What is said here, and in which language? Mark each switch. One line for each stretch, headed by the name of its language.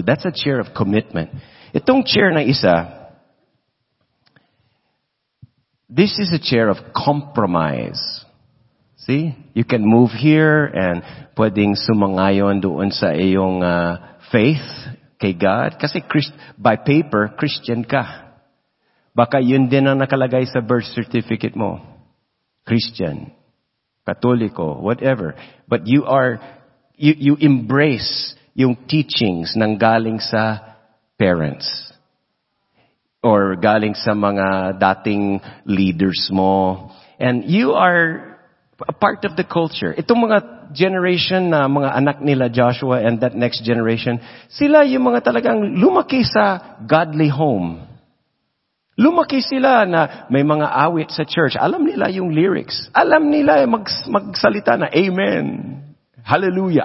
English: That's a chair of commitment.
Filipino: Itong chair na isa,
English: this is a chair of compromise. See? You can move here and
Filipino: pwedeng sumangayon doon sa iyong
English: faith kay God.
Filipino: Kasi
English: by paper,
Filipino: Christian ka. Baka yun din ang nakalagay sa birth certificate mo.
English: Christian. Katoliko, whatever. But you embrace yung teachings
Filipino: ng galing sa
English: parents.
Filipino: Or galing sa mga dating leaders mo.
English: And you are a part of the culture.
Filipino: Itong mga generation na mga anak nila Joshua
English: and that next generation,
Filipino: sila yung mga talagang lumaki sa godly home. Lumaki sila na may mga awit sa church. Alam nila yung lyrics. Alam nila yung magsalita na amen, hallelujah.